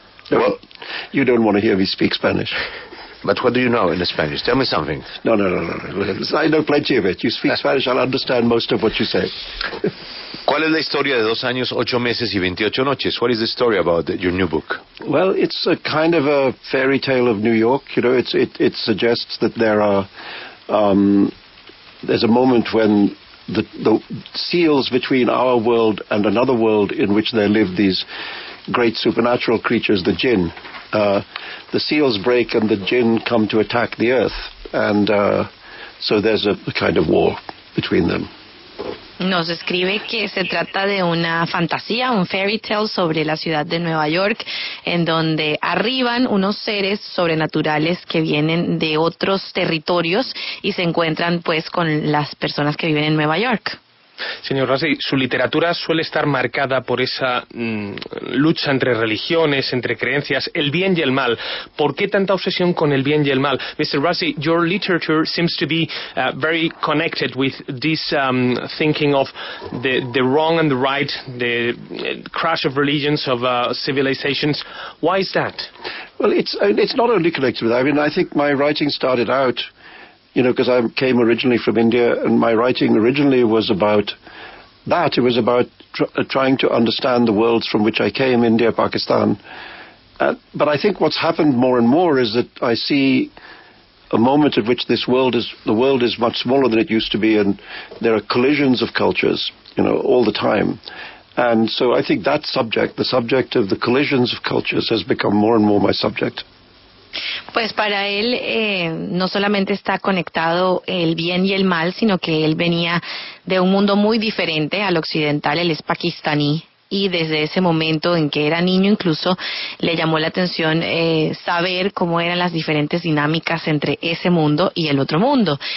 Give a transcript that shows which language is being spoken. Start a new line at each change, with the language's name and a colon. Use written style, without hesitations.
English: Well, you don't want to hear me speak Spanish. But what do you know in Spanish? Tell me something. No. I know plenty of it. You speak Spanish, I'll understand most of what you say.
Spanish: ¿Cuál es la historia de 2 años, 8 meses y 28 noches?
English: What is the story about your new book? Well, it's a kind of a fairy tale of New York. You know, it suggests that there are... there's a moment when the seals between our world and another world in which there live these great supernatural creatures, the jinn, the seals break and the jinn come to attack the earth. And so there's a kind of war between them.
Spanish: Nos escribe que se trata de una fantasía, un fairy tale sobre la ciudad de Nueva York, en donde arriban unos seres sobrenaturales que vienen de otros territorios y se encuentran pues con las personas que viven en Nueva York. Señor Rushdie, su literatura suele estar marcada por esa lucha entre religiones, entre creencias, el bien y el mal. ¿Por qué tanta obsesión con el bien y el mal?
English: Mr. Rushdie, your literature seems to be very connected with this thinking of the wrong and the right, the crash of religions, of civilizations. Why is that? Well, it's not only connected with that. I mean, I think my writing started out, you know, because I came originally from India, and my writing originally was about that. It was about trying to understand the worlds from which I came, India, Pakistan. But I think what's happened more and more is that I see a moment at which the world is much smaller than it used to be, and there are collisions of cultures, you know, all the time. And so I think that subject, the subject of the collisions of cultures, has become more and more my subject.
Spanish: Pues para él no solamente está conectado el bien y el mal, sino que él venía de un mundo muy diferente al occidental, él es pakistaní, y desde ese momento en que era niño incluso le llamó la atención saber cómo eran las diferentes dinámicas entre ese mundo y el otro mundo.